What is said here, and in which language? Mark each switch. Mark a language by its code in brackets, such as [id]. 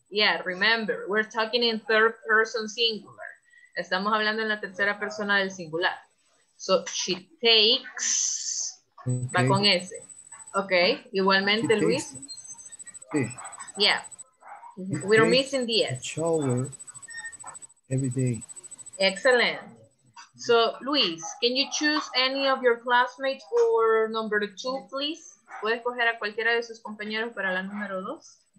[en] Yeah, remember, we're talking in third person singular. [es] Estamos hablando en la tercera persona del singular. [en] So she takes. Okay. [es] Va con S. [en] Okay, igualmente, she Luis. Takes. [es] Sí. [en] Yeah, we're missing the S. Shower every day. Excellent. So, Luis, can you choose any of your classmates for number two, please? [es] ¿Puedes coger a cualquiera de sus compañeros para la número dos?